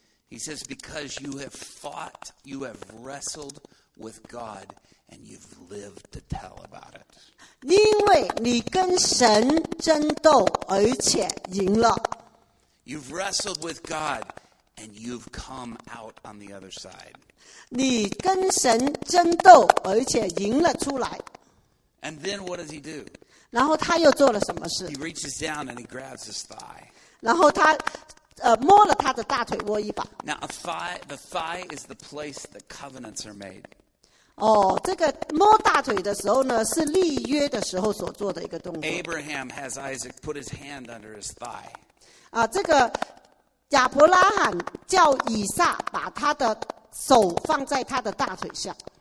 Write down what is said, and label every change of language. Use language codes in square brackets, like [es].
[en] He says, because you have fought, you have wrestled with God, and you've lived to tell about it. [zh] 因为你跟神争斗，而且赢了。 [en] You've wrestled with God, and you've come out on the other side. [zh] 你跟神争斗，而且赢了出来。 [en] And then what does he do? [zh] 然后他又做了什么事？ [en] He reaches down and he grabs his thigh. [zh] 然后他摸了他的大腿窝一把。 [en] Now, thigh, the thigh is the place the covenants are made. [zh] 哦，这个摸大腿的时候呢，是立约的时候所做的一个动作。 [en] Abraham has Isaac put his hand under his thigh. [zh] 啊，这个亚伯拉罕叫以撒把他的手放在他的大腿下。